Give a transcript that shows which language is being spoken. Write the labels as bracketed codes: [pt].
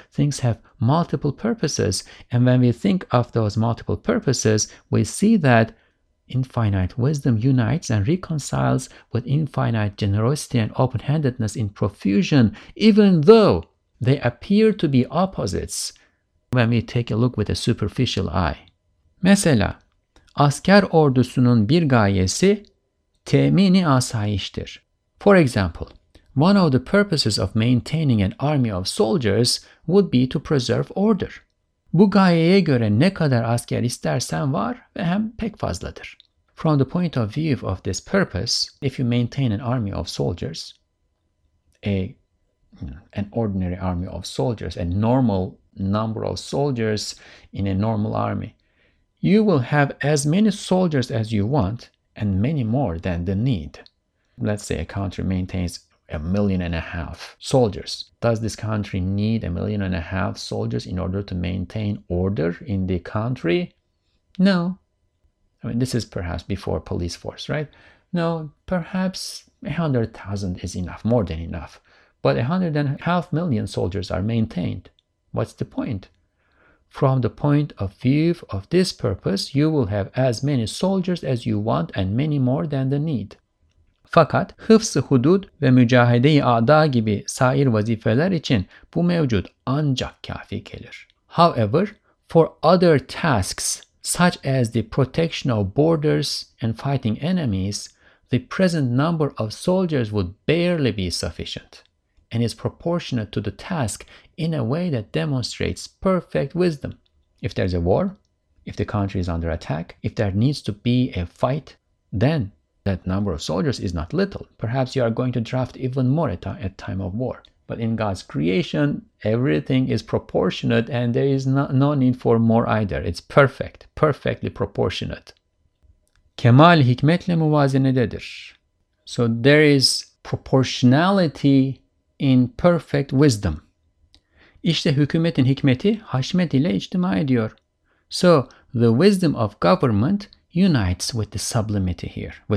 [en] Things have multiple purposes. And when we think of those multiple purposes, we see that infinite wisdom unites and reconciles with infinite generosity and open-handedness in profusion, even though they appear to be opposites when we take a look with a superficial eye. [tr] Mesela, asker ordusunun bir gayesi temini asayiştir. [en] For example, one of the purposes of maintaining an army of soldiers would be to preserve order. [tr] Bu gayeye göre ne kadar asker istersen var ve hem pek fazladır. [en] From the point of view of this purpose, if you maintain an army of soldiers, an ordinary army of soldiers, a normal number of soldiers in a normal army, you will have as many soldiers as you want and many more than the need. Let's say a country maintains 1.5 million soldiers. Does this country need 1.5 million soldiers in order to maintain order in the country? No. I mean, this is perhaps before police force, right? No, perhaps 100,000 is enough, more than enough. But 1.5 million soldiers are maintained. What's the point? From the point of view of this purpose, you will have as many soldiers as you want and many more than the need. [tr] Fakat hıfz-ı hudud ve mücahede-i ada gibi sair vazifeler için bu mevcut ancak kafi gelir. [en] However, for other tasks such as the protection of borders and fighting enemies, the present number of soldiers would barely be sufficient and is proportionate to the task in a way that demonstrates perfect wisdom. If there's a war, if the country is under attack, if there needs to be a fight, then that number of soldiers is not little. Perhaps you are going to draft even more at time of war. But in God's creation, everything is proportionate and there is no need for more either. It's perfect, perfectly proportionate. [tr] Kemal hikmetle muvazenededir. [en] So there is proportionality in perfect wisdom. [tr] İşte hükümetin hikmeti haşmet ile içtima ediyor. [en] So the wisdom of government unites with the sublimity here.